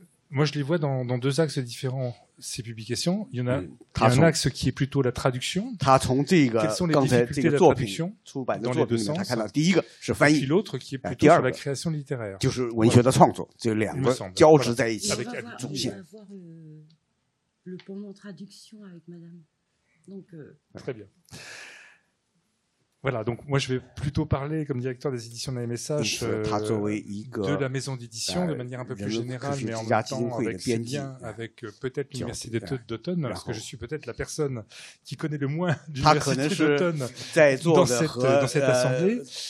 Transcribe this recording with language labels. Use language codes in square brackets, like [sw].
[fr] moi je les vois dans deux axes différents ces publications il y en a, y a un axe qui est plutôt la traduction quelles sont les difficultés de la traduction dans les deux sens et puis l'autre qui est plutôt sur la création littéraire [zh] 就是文学的创作这两个交织在一起 [fr] avec un tout il va avoir le pendant traduction avec madame donc, très bien voilà donc moi je vais plutôt parler comme directeur des éditions de la MSH de la maison d'édition de manière un peu plus générale mais en même temps avec ses liens avec peut-être l'université d'automne parce que je suis peut-être la personne qui connaît le moins l'université d'automne dans cette assemblée